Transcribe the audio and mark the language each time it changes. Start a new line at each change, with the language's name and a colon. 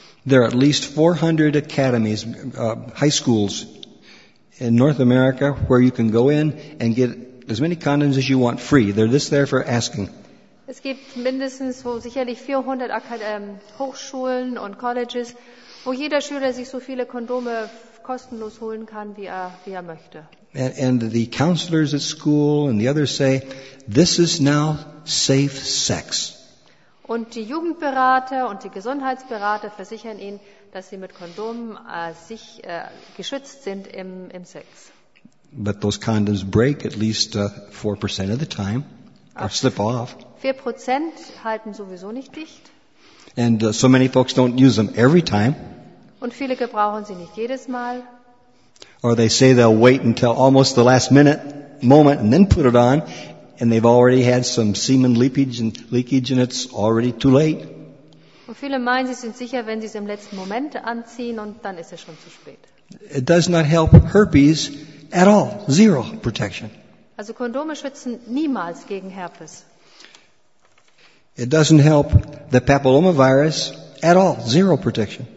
English: There are at least 400 academies, high schools in North America where you can go in and get as many condoms as you want free. They're just there for asking.
German: Es gibt mindestens so sicherlich 400 Hochschulen und Colleges, wo jeder Schüler sich so viele Kondome kostenlos holen kann, wie er möchte.
English: And the counselors at school and the others say, this is now safe sex.
German: Und die Jugendberater und die Gesundheitsberater versichern ihnen, dass sie mit Kondomen geschützt sind im Sex.
English: But those condoms break at least 4% of the time, or slip off.
German: 4% halten sowieso nicht dicht.
English: And so many folks don't use them every time.
German: Und viele gebrauchen sie nicht jedes Mal.
English: Or they say they'll wait until almost the last minute, moment, and then put it on, and they've already had some semen leakage, and it's already too late.
German: Und viele meinen, sie sind sicher, wenn sie es im letzten Moment anziehen, und dann ist es schon zu spät.
English: It does not help herpes. At all, zero protection.
German: Also Kondome schützen niemals gegen Herpes.
English: It doesn't help the papillomavirus at all, zero protection.